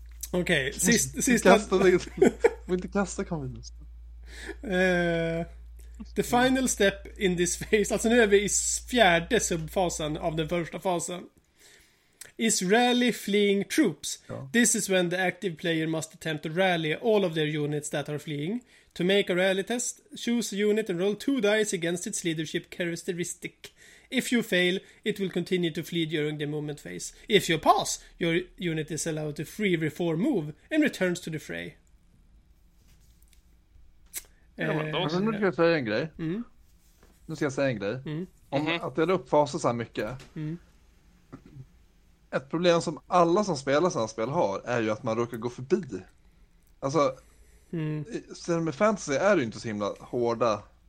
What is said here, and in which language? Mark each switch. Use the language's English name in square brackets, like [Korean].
[Swedish] Okej, okay, sista... inte kasta convenience. [English] The final step in this phase, [Swedish] alltså nu är vi i fjärde subfasen av den första fasen, [English] is rally fleeing troops. [Swedish] Ja. [English] This is when the active player must attempt to rally all of their units that are fleeing. To make a rally test, choose a unit and roll 2 dice against its leadership characteristic. If you fail, it will continue to flee during the movement phase. If you pass, your unit is allowed to free reform move and returns to the fray. [Swedish] Ja, men då ska jag säga en grej. Mm. Nu ska jag säga en grej. Mm. Om att dela upp faser så här mycket. Mm. Ett problem som alla som spelar sådana spel har är ju att man råkar gå förbi. Alltså, sen med fantasy är det ju inte så himla hårda.